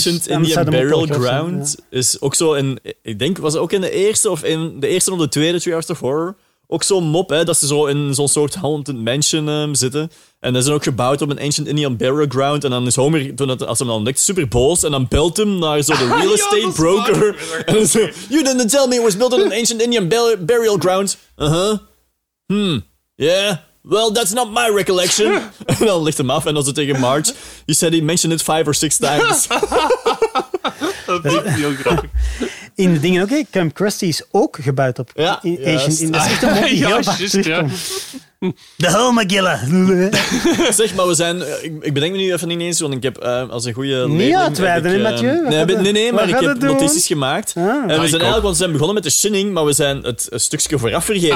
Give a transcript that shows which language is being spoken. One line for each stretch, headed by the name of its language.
English: Ancient Indian burial ground is ook zo.
Dutch: In, ik denk, was het ook in de eerste of in de eerste of de tweede Three Hours of Horror? Ook zo'n mop, hè, dat ze zo in zo'n soort haunted mansion zitten. En dat is dan ook gebouwd op een ancient Indian burial ground. En dan is Homer, als hij hem dan ontdekt, super boos. En dan belt hem naar zo de real estate broker.
English: En zo, you didn't tell me it was built on an ancient Indian burial ground. Uh-huh. Hmm. Yeah.
Dutch: Well, that's not my recollection. En dan ligt hem af en dan zo tegen Marge.
English: You said he mentioned it 5 or 6 times.
Dutch: Dat is heel grappig. In de dingen, oké, Camp Krusty is ook gebouwd op Asian Indian. Dat is de Homagilla. Zeg, maar we zijn... Ik bedenk me nu even niet eens, want ik heb als een goede leerling... Niet uitweiden, Mathieu? Ik heb notities gemaakt. Ah. En we zijn eigenlijk, want we zijn begonnen met de Shining, maar we zijn het een stukje vooraf vergeten.